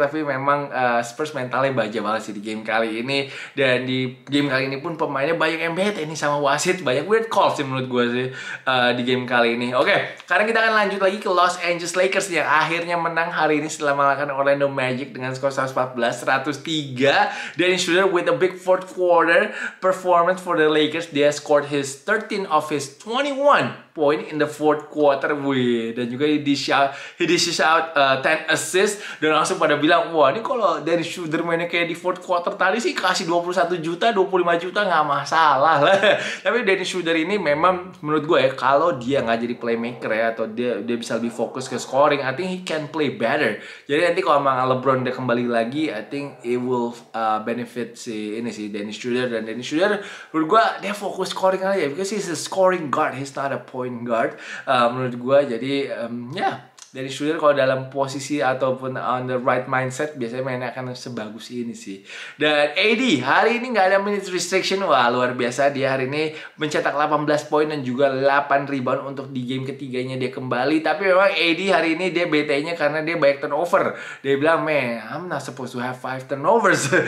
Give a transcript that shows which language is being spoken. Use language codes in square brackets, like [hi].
[id] Tapi memang Spurs mentalnya baja banget sih di game kali ini. Dan di game kali ini pun pemainnya banyak yang bete nih sama wasit. Banyak [en] weird calls [id] sih menurut gue sih di game kali ini. Oke, sekarang kita akan lanjut lagi ke Los Angeles Lakers yang akhirnya menang hari ini setelah mengalahkan Orlando Magic dengan skor 114-103. [en] Dennis Schroeder with a big fourth quarter performance for the Lakers. Dia scored his 13 of his 21 point in the fourth quarter. [id] Wih, dan juga [en] he dish out 10 assists [id] dan langsung pada bilang, wah ini kalau dari shooter mainnya kayak di fourth quarter tadi sih kasih 21 juta 25 juta gak masalah lah. Tapi dari shooter ini memang menurut gue ya, kalau dia gak jadi playmaker ya, atau dia bisa lebih fokus ke scoring, [en] I think he can play better. [id] Jadi nanti kalau emang LeBron dia kembali lagi, [en] I think it will benefit [id] si ini sih Dennis Schroeder. Dan Dennis Schroeder menurut gue dia fokus scoring aja, [en] because he's a scoring guard, he's not a point guard [id] menurut gue. Jadi dari Schroeder kalau dalam posisi ataupun [en] on the right mindset, [id] biasanya mainnya akan sebagus ini sih. Dan AD hari ini gak ada minutes restriction. Wah, luar biasa. Dia hari ini mencetak 18 poin dan juga 8 rebound untuk di game ketiganya dia kembali. Tapi memang AD hari ini dia bete-nya karena dia banyak turnover. Dia bilang, [en] man, I'm not supposed to have 5 turnovers.